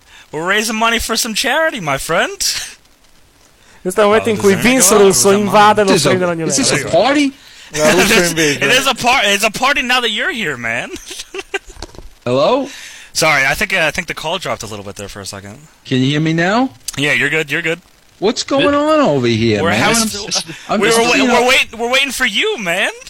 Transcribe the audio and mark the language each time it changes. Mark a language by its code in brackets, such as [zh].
[en] We're raising money for some charity, my friend. [it] Questo è un momento in cui Vince Russo invade lo studio della New Legacy. [en] Is this a party? It is a party. It's a party now that you're here, man. Hello? Sorry, I think the call dropped a little bit there for a second. Can you hear me now? Yeah, you're good. You're good. What's going on over here, we're man? We're waiting for you, man.